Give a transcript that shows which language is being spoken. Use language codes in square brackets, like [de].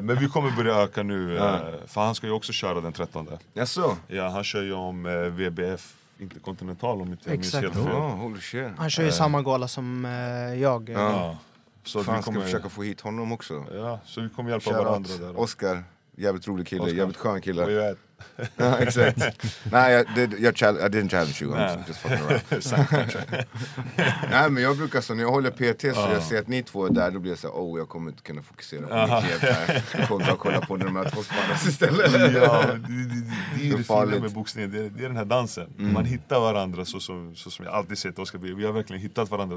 [sv] Men vi kommer börja öka nu, för han ska ju också köra den 13:e. Jaså? Ja, han kör ju om VBF, inte Continental om inte minns helt fel. [en] Holy shit. [sv] Han kör ju samma gala som jag. Så vi kommer försöka få hit honom också. Ja, så vi kommer hjälpa varandra där. Oscar. Jävligt rolig kille, Oscar. Jävligt skön kille. Oh, exakt. Nej, jag [en] didn't challenge you. Nah. Just fucking around. [sv] Nej, men jag brukar så, när jag håller PT så jag ser att ni två är där, då blir jag så här, jag kommer inte kunna fokusera på mitt hjälp här. Jag kommer bara kolla på när de här två spannas istället. Ja, det är det fina med boxningen. Det är den här dansen. Man hittar varandra så som jag alltid sett Oscar. Vi har verkligen hittat varandra.